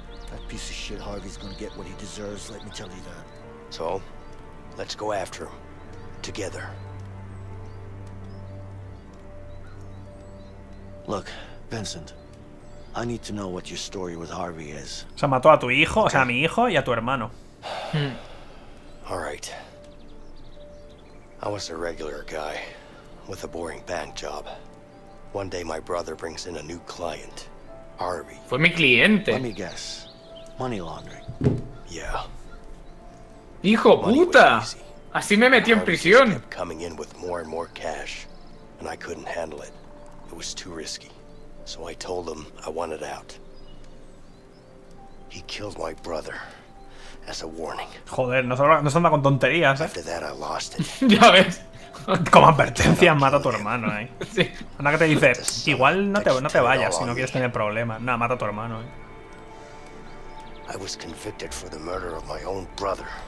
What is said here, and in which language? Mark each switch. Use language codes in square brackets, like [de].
[en] That piece of shit Harvey's gonna get what he deserves, let me tell you that. So, let's go after him. Together. Look, Vincent. I need to know what your story with Harvey is. [es] O sea, mató a tu hijo, o sea, a mi hijo y a tu hermano. [en] All right. I was a regular guy with a boring bank job. One day my brother brings in a new client, Harvey. [es] Fue mi cliente. [en] Let me guess. Money laundering. Yeah. [es] Hijo puta. Así me metí en prisión. [en] Kept coming in with more and more cash and I couldn't handle it. It was too risky. So I told him I wanted out. He killed my brother as a warning. [es] Joder, no se anda con tonterías, ¿eh? [en] After that I lost it. [es] Ya ves. Como advertencia, mata a tu hermano, ¿eh? Sí. Una que te dice, igual no te vayas si no quieres tener problemas. Nada, mata a tu hermano, ¿eh? [en] I was convicted for the murder of my own brother.